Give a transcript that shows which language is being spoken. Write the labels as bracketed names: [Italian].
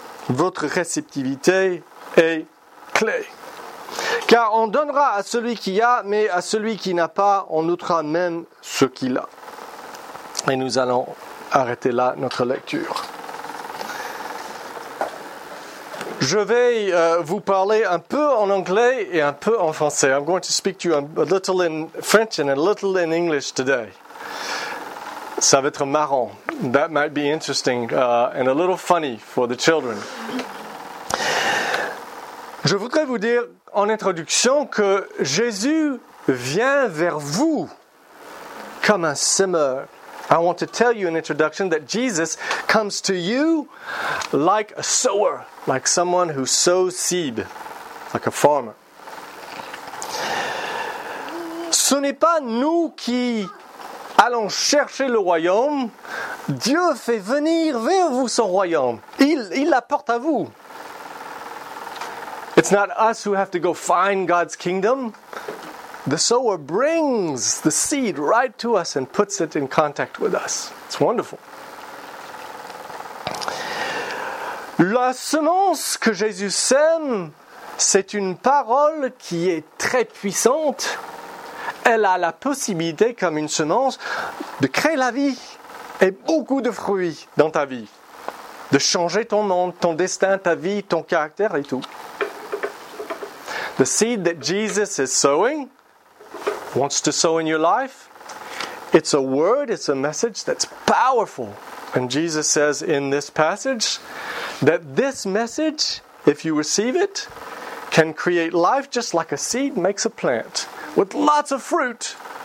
[French] Votre réceptivité est clé. Car on donnera à celui qui a, mais à celui qui n'a pas, on ôtera même ce qu'il a. Et nous allons arrêtez là notre lecture. Je vais vous parler un peu en anglais et un peu en français. [English] I'm going to speak to you a little in French and a little in English today. [French] Ça va être marrant. [English] That might be interesting and a little funny for the children. [French] Je voudrais vous dire en introduction que Jésus vient vers vous comme un semeur. [English] I want to tell you in introduction that Jesus comes to you like a sower, like someone who sows seed, like a farmer. [French] Ce n'est pas nous qui allons chercher le royaume. Dieu fait venir vers vous son royaume. Il l'apporte à vous. [English] It's not us who have to go find God's kingdom. The sower brings the seed right to us and puts it in contact with us. It's wonderful. [French] La semence que Jésus sème, c'est une parole qui est très puissante. Elle a la possibilité, comme une semence, de créer la vie et beaucoup de fruits dans ta vie. De changer ton monde, ton destin, ta vie, ton caractère et tout. [English] The seed that Jesus is sowing wants to sow in your life. It's a word, it's a message that's powerful. And Jesus says in this passage that this message, if you receive it, can create life just like a seed makes a plant with lots of fruit.